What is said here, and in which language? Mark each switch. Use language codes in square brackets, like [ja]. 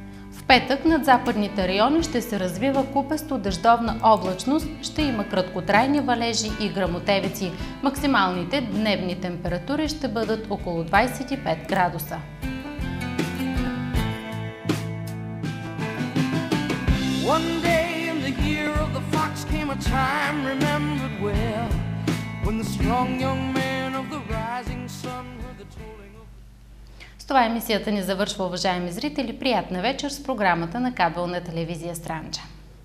[bg] В петък над западните райони ще се развива купесто дъждовна облачност, ще има краткотрайни валежи и гръмотевици. Максималните дневни температури ще бъдат около 25 градуса. [en] One day in the year of the fox came a time remembered well, when the strong young man of the rising sun heard the tolling of... [bg] С това емисията ни завършва, уважаеми зрители. Приятна вечер с програмата на кабелна телевизия Странджа.